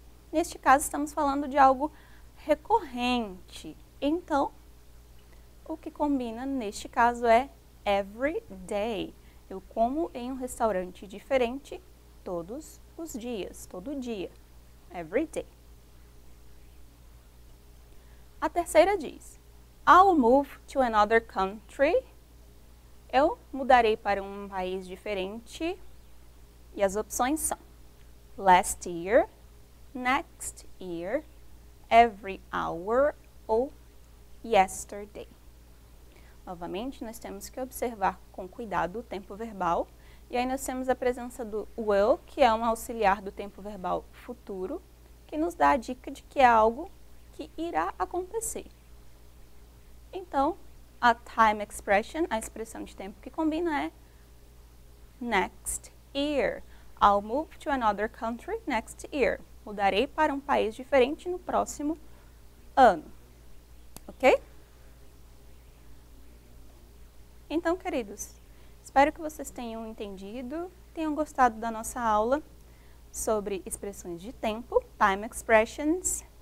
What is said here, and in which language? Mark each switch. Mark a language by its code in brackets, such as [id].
[pt] Neste caso, estamos falando de algo recorrente. Então, o que combina neste caso é every day. Eu como em um restaurante diferente todos os dias, todo dia. [en] Every day. [pt] A terceira diz: [en] I'll move to another country. [pt] Eu mudarei para um país diferente. E as opções são: last year, next year, every hour ou yesterday. Novamente, nós temos que observar com cuidado o tempo verbal. E aí nós temos a presença do will, que é um auxiliar do tempo verbal futuro, que nos dá a dica de que é algo que irá acontecer. Então, a time expression, a expressão de tempo que combina é next year. [en] I'll move to another country next year. [pt] Mudarei para um país diferente no próximo ano. Ok? Então, queridos, espero que vocês tenham entendido, tenham gostado da nossa aula sobre expressões de tempo, time expressions.